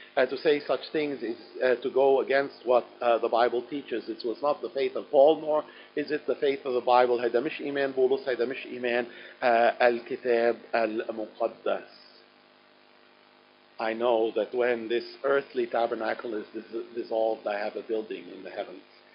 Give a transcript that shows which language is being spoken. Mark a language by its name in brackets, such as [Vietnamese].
[English] To say such things is to go against what the Bible teaches. It was not the faith of Paul, nor is it the faith of the Bible. [Arabic] هذا مش إيمان بولس، هذا مش إيمان الكتاب المقدس. [English] I know that when this earthly tabernacle is dissolved, I have a building in the heavens.